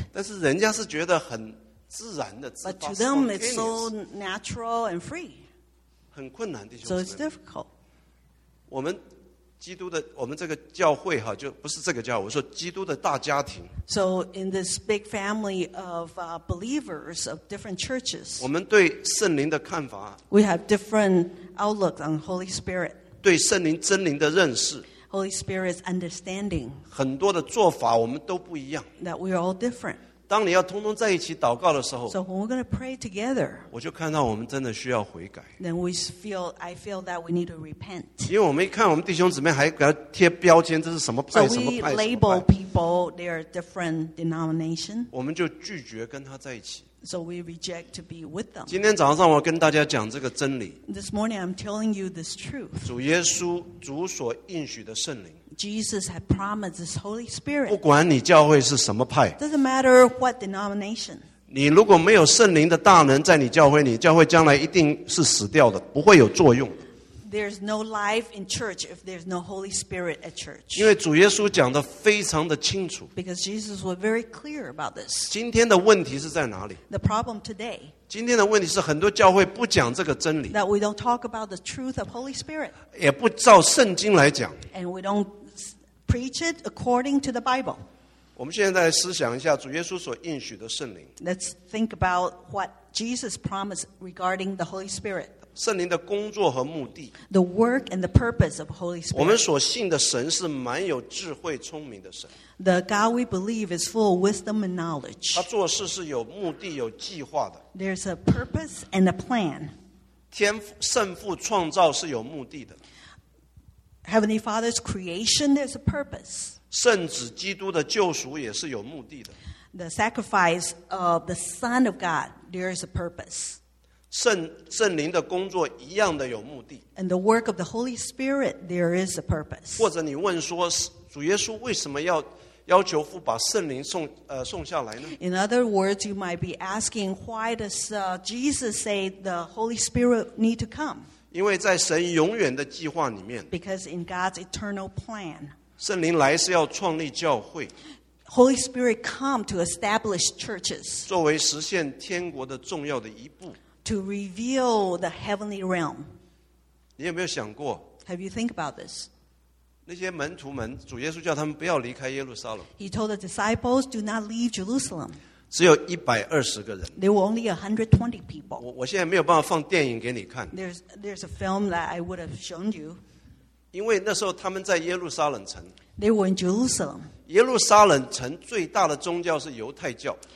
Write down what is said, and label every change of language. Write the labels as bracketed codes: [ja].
[zh] 但是人家是觉得很自然的自发 [en] But to them, it's so natural and free. [zh] 很困难，弟兄姊 [en] 妹。So it's difficult. [zh] 我们基督的，我们这个教会哈，就不是这个教会，我说基督的大家庭。 [en] So in this big family of believers of different churches, [zh] 我们对圣灵的看法。 [en] We have different outlooks on Holy Spirit. [zh] 对圣灵真灵的认识。 [en] Holy Spirit's understanding. [zh] 很多的做法我们都不一样。 [en] That we are all different. [zh] 当你要通通在一起祷告的时候 [en] So when we're going to pray together [zh] 我就看到我们真的需要悔改 [en] Then we feel, I feel that we need to repent [zh] 因为我们一看我们弟兄姊妹还给他贴标签这是什么派什么派 [en] So we label people, they are different denomination [zh] 我们就拒绝跟他在一起 [en] So we reject to be with them [zh] 今天早上我跟大家讲这个真理 [en] This morning I'm telling you this truth [zh] 主耶稣主所应许的圣灵 [en] Jesus had promised His Holy Spirit. [zh] 不管你教会是什么派 [en] Doesn't matter what denomination. [zh] 你如果没有圣灵的大能在你教会，你教会将来一定是死掉的，不会有作用。 [en] There's no life in church if there's no Holy Spirit at church. [zh] 因为主耶稣讲得非常的清楚。 [en] Because Jesus was very clear about this. [zh] 今天的问题是在哪里 [en] ？The problem today. [zh] 今天的问题是很多教会不讲这个真理。 [en] That we don't talk about the truth of Holy Spirit. [zh] 也不照圣经来讲。 [en] And we don't preach it according to the Bible. [zh] 我们现在思想一下主耶稣所应许的圣灵。 [en] Let's think about what Jesus promised regarding the Holy Spirit. [zh] 圣灵的工作和目的 [en] The work and the purpose of Holy Spirit [zh] 我们所信的神是蛮有智慧聪明的神 [en] The God we believe is full of wisdom and knowledge [zh] 他做事是有目的有计划的 [en] There's a purpose and a plan [zh] 圣父创造是有目的的 [en] Heavenly Father's creation there's a purpose [zh] 圣子基督的救赎也是有目的的 [en] The sacrifice of the Son of God there is a purpose [zh] 圣灵的工作一样的有目的 [en] And the work of the Holy Spirit, there is a purpose. [zh] 或者你问说主耶稣为什么要要求父把圣灵送下来呢 [en] In other words, you might be asking, why does Jesus say the Holy Spirit need to come? [zh] 因为在神永远的计划里面 [en] Because in God's eternal plan, [zh] 圣灵来是要创立教会 [en] Holy Spirit come to establish churches. [zh] 作为实现天国的重要的一步 [en] To reveal the heavenly realm. [zh] 你有没有想过 [en] Have you think about this? [zh] 那些门徒们，主耶稣叫他们不要离开耶路撒冷。 [en] He told the disciples, "Do not leave Jerusalem." [zh] 只有一百二十个人。 [en] There were only 120 people. [zh] 我现在没有办法放电影给你看。 [en] There's a film that I would have shown you. [zh] 因为那时候他们在耶路撒冷城。 [en] They were in Jerusalem. [zh] 耶路撒冷城最大的宗教是犹太教。